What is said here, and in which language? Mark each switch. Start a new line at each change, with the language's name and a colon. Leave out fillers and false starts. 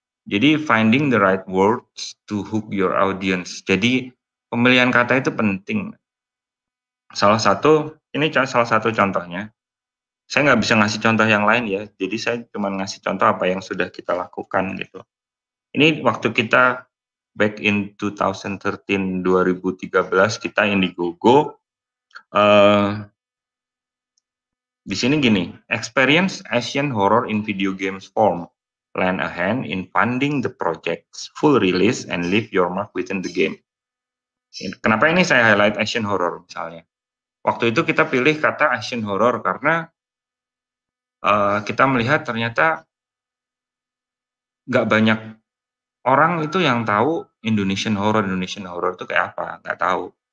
English: Jadi finding the right words to hook your audience.
Indonesian: Jadi pemilihan kata itu penting. Salah satu contohnya. Saya nggak bisa ngasih contoh yang lain ya. Jadi saya cuma ngasih contoh apa yang sudah kita lakukan gitu. Ini waktu kita
English: back in 2013
Indonesian: kita Indiegogo. Di sini gini,
English: experience Asian horror in video games form. Lend a hand in funding the project's full release and leave your mark within the game.
Indonesian: Kenapa ini saya highlight Asian horror misalnya? Waktu itu kita pilih kata Asian horror karena kita melihat ternyata nggak banyak orang itu yang tahu Indonesian horror itu kayak apa, nggak tahu.